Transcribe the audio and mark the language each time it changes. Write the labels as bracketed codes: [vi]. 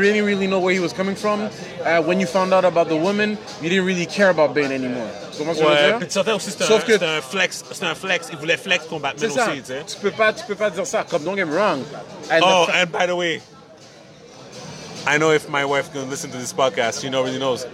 [en] You didn't really know where he was coming from. When you found out about the woman, you didn't really care about Bane anymore. [fr] Comment ouais, ça veut dire? Puis tu sentais aussi que c'était un flex. C'était un flex. Il voulait flex ton Batman aussi, tu sais. Tu peux pas dire ça. Comme, [en] don't get me wrong. And by the way, I know if my wife can listen to this podcast, she already knows.